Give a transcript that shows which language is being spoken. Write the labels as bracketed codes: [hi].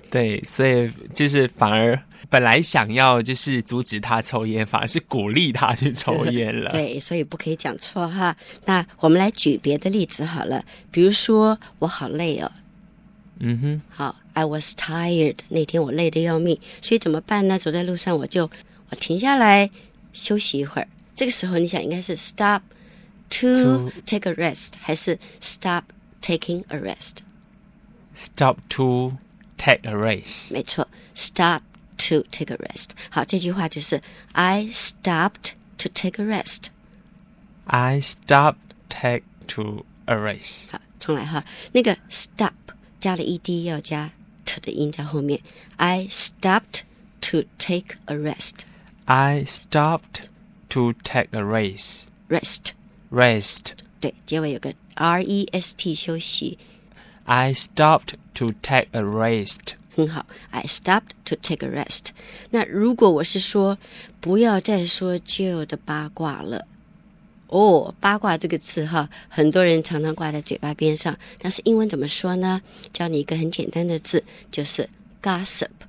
[zh] 对，所以就是反而本来想要就是阻止他抽烟，反而是鼓励他去抽烟了。对，所以不可以讲错哈。那我们来举别的例子好了，比如说我好累哦。嗯哼，好， [en] I was tired， [zh] 那天我累得要命，所以怎么办呢？走在路上我停下来休息一会儿。这个时候你想应该是 [en] stop to take a rest [zh] 还是 [en] stop taking a rest？ stop to take a rest， [zh] 没错， [en] stop to take a rest。 [zh] 好，这句话就是 [en] I stopped to take a rest， I stopped take to a rest。 [zh] 好，重来哈，那个 stop 加了 ed 要加 t 的音在后面， [en] I stopped to take a rest， I stoppedTo take a race. Rest. Rest. [zh] 对，结尾有个 R-E-S-T 休息。 [en] I stopped to take a rest. [zh] 很好， [en] I stopped to take a rest. [zh] 那如果我是说不要再说 Jill 的八卦了。哦，八卦这个词哈，很多人常常挂在嘴巴边上，但是英文怎么说呢？教你一个很简单的字，就是 gossip.